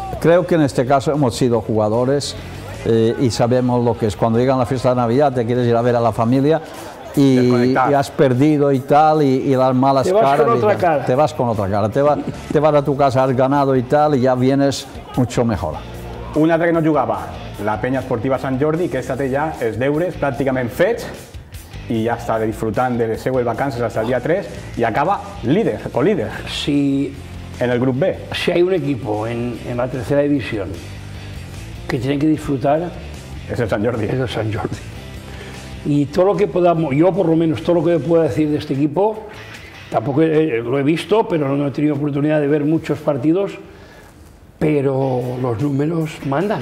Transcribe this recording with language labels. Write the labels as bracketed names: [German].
[Spanish] Creo que en este caso hemos sido jugadores y sabemos lo que es. Cuando llega la fiesta de Navidad, te quieres ir a ver a la familia. Y has perdido y tal, y las malas caras. Te vas con otra cara. Te vas a tu casa, has ganado y tal, y ya vienes mucho mejor. [Catalan] Una altra que no jugava, la Peña Esportiva Sant Jordi, que esta té ja els deures pràcticament fets, i ja està disfrutant de les seues vacances fins al dia 3, i acaba líder, o líder, si, en el grup B. [Spanish] Si hay un equipo en la tercera división que tiene que disfrutar... Es el Sant Jordi. Y todo lo que podamos, yo por lo menos, todo lo que pueda decir de este equipo, tampoco lo he visto, pero no he tenido oportunidad de ver muchos partidos, pero los números mandan.